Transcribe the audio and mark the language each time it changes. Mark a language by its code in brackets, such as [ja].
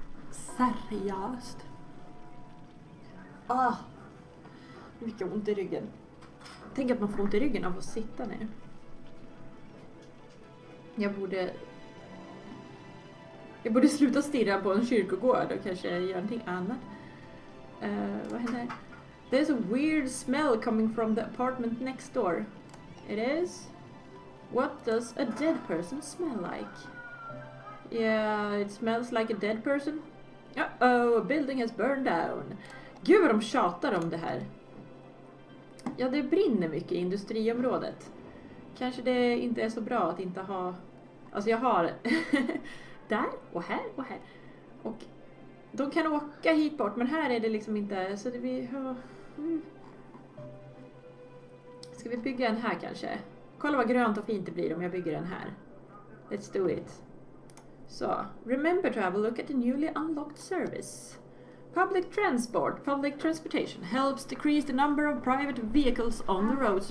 [sv] Seriöst. Ah. Vilka ont i ryggen. Tänk att man får ont i ryggen av att sitta ner. Jag borde sluta stirra på en kyrkogård och kanske göra någonting annat. Vad händer? [en] There's a weird smell coming from the apartment next door. It is... What does a dead person smell like? Yeah, it smells like a dead person. Uh-oh, a building has burned down. [sv] Gud vad de tjatar om det här. Ja, det brinner mycket i industriområdet. Kanske det inte är så bra att inte ha... Alltså jag har... där, och här, och här. Och de kan åka hit bort, men här är det liksom inte... Så det vi har... Ska vi bygga en här kanske? Kolla vad grönt och fint det blir om jag bygger den här. [en] Let's do it. Så, remember to have a look at the newly unlocked service. Public transport. Public transportation helps decrease the number of private vehicles on the roads.